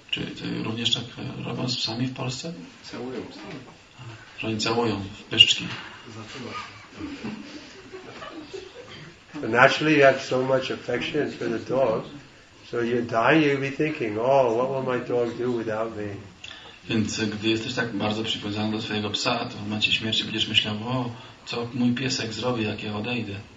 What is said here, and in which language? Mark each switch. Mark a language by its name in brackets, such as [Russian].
[Polish] Czy również tak robią z psami w Polsce? Całują psy. Że oni całują w pyszczki. [English] So naturally you have so much affection for the dog, so you're dying, you'll be thinking, oh, what will my dog do without me? [Polish] Więc gdy jesteś tak bardzo przywiązany do swojego psa, to w momencie śmierci będziesz myślał, o, co mój piesek zrobi, jak ja odejdę.